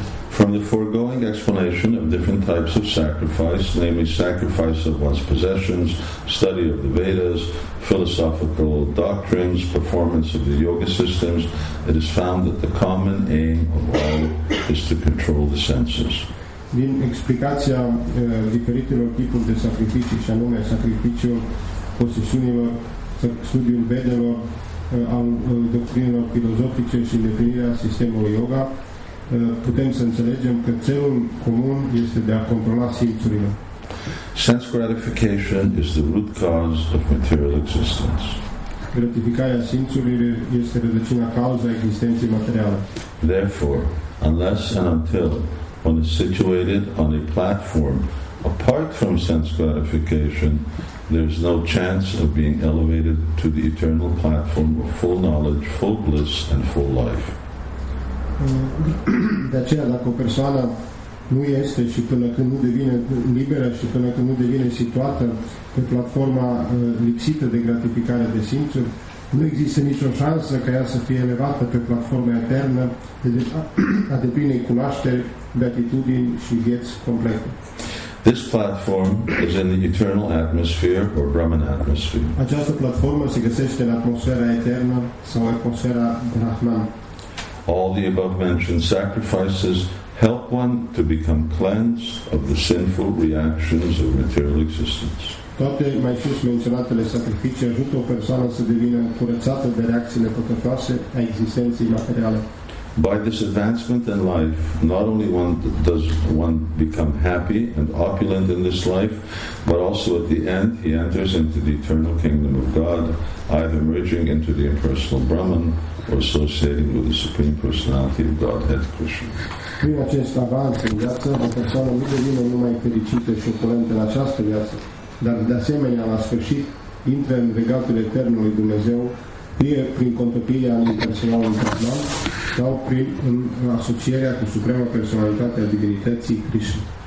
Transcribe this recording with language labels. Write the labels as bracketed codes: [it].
[en] From the foregoing explanation of different types of sacrifice, namely sacrifice of one's possessions, study of the Vedas, philosophical doctrines, performance of the yoga systems, it is found that the common aim of all is to control the senses. [ro] Din explicația diferitelor tipuri de sacrificii, și anume sacrificiul posesiunilor, studiul Vedelor, al doctrinelor filozofice și definirea sistemului yoga, putem să înțelegem că țelul comun este de a controla simțurile. [en] Sense gratification is the root cause of material existence. [ro] Gratificarea simțurilor este rădăcina cauzei existenței materiale. [en] Therefore, unless and until one is situated on a platform apart from sense gratification, there is no chance of being elevated to the eternal platform of full knowledge, full bliss, and full life. [ro] De aceea, dacă o persoană nu este și până când nu devine liberă și până când nu devine situată pe platforma lipsită de gratificare de simțuri, nu există nicio șansă ca ea să fie elevată pe platforma eternă a deplinei cunoaștere, beatitudini și vieți complete. [en] This platform is in the eternal atmosphere or Brahman atmosphere. [ro] Această platformă se găsește în atmosfera eternă sau atmosfera Brahman. [en] All the above mentioned sacrifices help one to become cleansed of the sinful reactions of material existence. [ro] Toate mai sus menționatele sacrificii ajută o persoană să devină curățată de reacțiile păcătoase a existenței materiale. [en] By this advancement in life, not only one does one become happy and opulent in this life, but also at the end he enters into the eternal kingdom of God, either merging into the impersonal Brahman or associating with the Supreme Personality of Godhead, Krishna. [ro] Prin acest avans în viață, o persoană nu devine numai fericită și opulentă în această viață, dar de asemenea, la sfârșit, intră în regatul eternului Dumnezeu, fie prin contopirea în personalul Brahman, sau prin asocierea cu Suprema Personalitate a Divinității Krishna.